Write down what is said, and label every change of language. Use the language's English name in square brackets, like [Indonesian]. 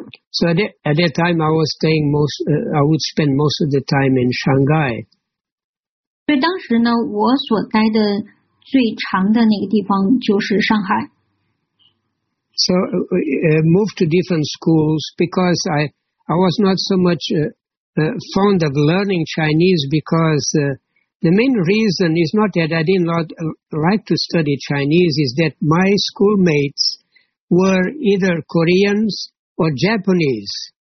[English] So at that time, yeah. So at that time, I was staying most. I would spend most of the time in Shanghai. [Chinese] 对，当时呢，我所待的。最长的那个地方就是上海。 [English] So moved to different schools because I was not so much fond of learning Chinese, because the main reason is not that I did not like to study Chinese, is that my schoolmates were either Koreans or Japanese.